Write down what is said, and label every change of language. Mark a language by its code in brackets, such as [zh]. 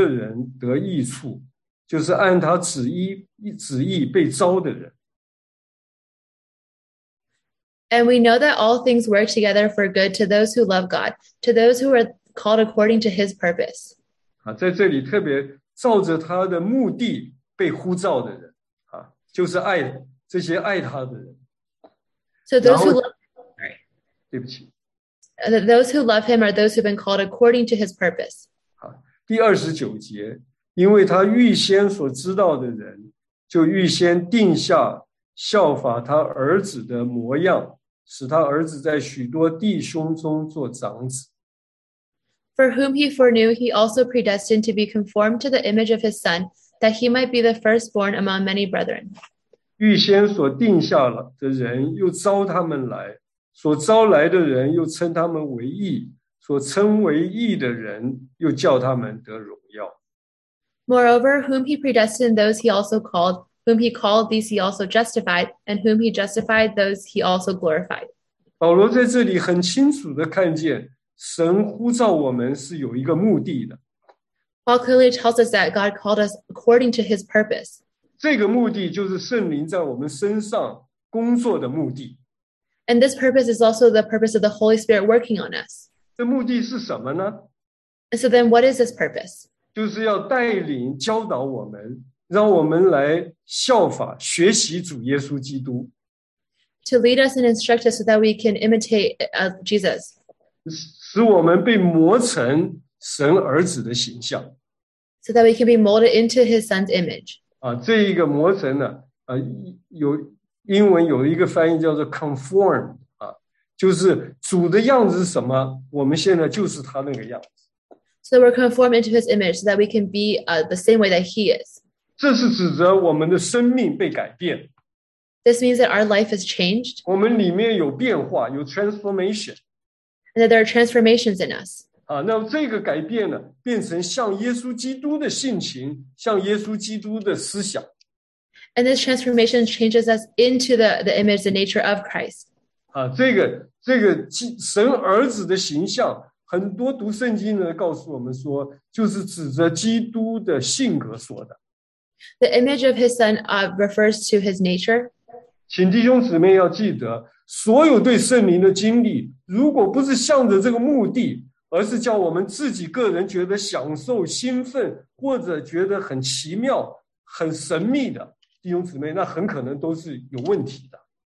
[zh] 我们晓得万事都互相效力,叫爱神的人得益处。就是按他旨意被招的人。 [en] And we know that all things work together for good to those who love God, to those who are called according to his purpose. [zh] 在这里特别照着他的目的被呼召的人, 就是爱, 这些爱他的人。 [en] So those who love him, [zh] 对不起, [en] those who love him are those who have been called according to his purpose. [zh] 第29节, 因为他预先所知道的人, 就预先定下效法他儿子的模样, 使他儿子在许多弟兄中做长子。 [en] For whom he foreknew, he also predestined to be conformed to the image of his son, that he might be the firstborn among many brethren. [zh] 预先所定下的人, 又招他们来, 所招来的人, 又称他们为义, 所称为义的人, 又叫他们得荣耀。 [en] Moreover, whom he predestined, those he also called. Whom he called, these he also justified. And whom he justified, those he also glorified. [zh] 保罗在这里很清楚地看见神呼召我们是有一个目的的。 [en] Paul clearly tells us that God called us according to his purpose. [zh] 这个目的就是圣灵在我们身上工作的目的。 [en] And this purpose is also the purpose of the Holy Spirit working on us. [zh] 这目的是什么呢? [en] And so then what is this purpose? [zh] 就是要带领教导我们, 让我们来效法学习主耶稣基督。 [en] To lead us and instruct us so that we can imitate Jesus. [zh] 使我们被磨成神儿子的形象。 [en] So that we can be molded into his son's image. [zh] 这一个磨成呢, 有英文有一个翻译叫做 conform 啊，就是主的样子是什么，我们现在就是他那个样子。 [en] So we're conformed into His image, so that we can be the same way that He is. [zh] 这是指着我们的生命被改变。 [en] This means that our life has changed. [zh] 我们里面有变化，有 transformation. [en] And that there are transformations in us. [zh] 啊，那这个改变呢，变成像耶稣基督的性情，像耶稣基督的思想。 [en] And this transformation changes us into the image, the nature of Christ. [zh] 啊，这个神儿子的形象，很多读圣经的告诉我们说，就是指着基督的性格说的。 [en] The image of His Son refers to His nature. [zh] 请弟兄姊妹要记得，所有对圣灵的经历，如果不是向着这个目的，而是叫我们自己个人觉得享受、兴奋，或者觉得很奇妙、很神秘的。弟兄姊妹，那很可能都是有问题的。